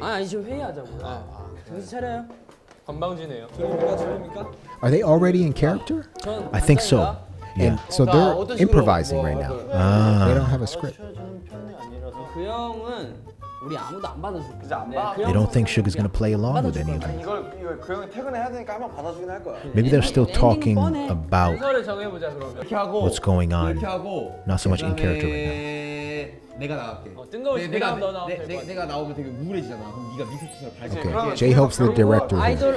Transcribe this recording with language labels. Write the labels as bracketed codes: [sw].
[ko] 아, 이제 회의하자고요. 아, 정신 차려요. 건방지네요. 저희가 저희입니까? [en] Are they already in character? [ko] 전 [en] I think so. Yeah. So they're improvising right now. They don't have a script. [ko] 그 형은 우리 아무도 안 받아줄 거야. [en] They don't think Suga's gonna play along with any of them. [ko] 이걸 그 형이 퇴근해야 되니까 한번 받아주긴 할 거야. [en] Maybe they're still talking about [ko] 순서를 정해보자 그러면. 이렇게 하고 [en] what's going on? [ko] 이렇게 하고 [en] not so much in character right now. [ko] 내가 나갈게. 뜬금없이 내가 너 나오면 내가 나오면 되게 우울해지잖아. 그럼 네가 미소처럼 발전. [en] Okay. Jay Hope's the director.